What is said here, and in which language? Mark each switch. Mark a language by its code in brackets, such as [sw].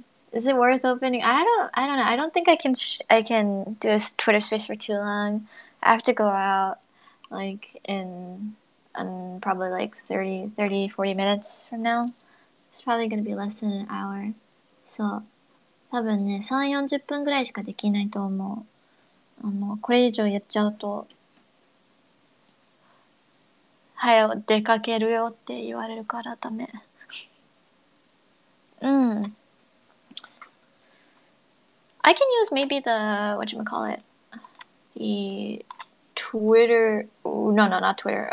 [en] Is it worth opening? I don't know. I don't think I can do a Twitter space for too long. I have to go out like in probably like 40 minutes from now. It's probably gonna be less than an hour. [ja] So, 多分ね、3、40分ぐらいしかできないと思う。これ以上やっちゃうと、早出かけるよって言われるからダメ。 [en] I can use maybe the, whatchamacallit, the Twitter, ooh, no, not Twitter.